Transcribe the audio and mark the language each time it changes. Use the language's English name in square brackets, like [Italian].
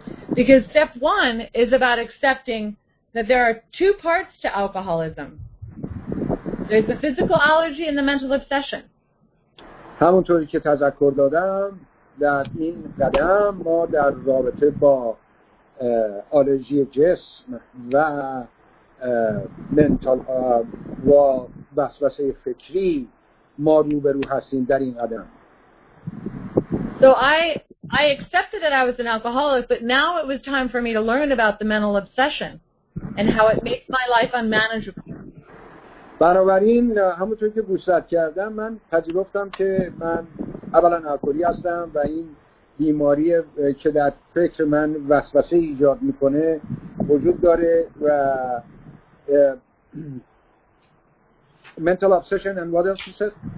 [English] Because step one is about accepting that there are two parts to alcoholism. There's the physical allergy and the mental obsession. [Persian] همونطوری که تذکر دادم در این قدم ما در رابطه با آلرژی جسم و منتال و وسوسه فکری ما روبرو هستیم در این قدم. [English] So I accepted that I was an alcoholic, but now it was time for me to learn about the mental obsession and how it makes my life unmanageable. [Persian] بنابراین همونطور که گوشزد کردم من پذیرفتم که من اولا الکلی هستم و این بیماری که در فکر من وسوسه ایجاد میکنه وجود داره و [English] mental obsession and what else you said?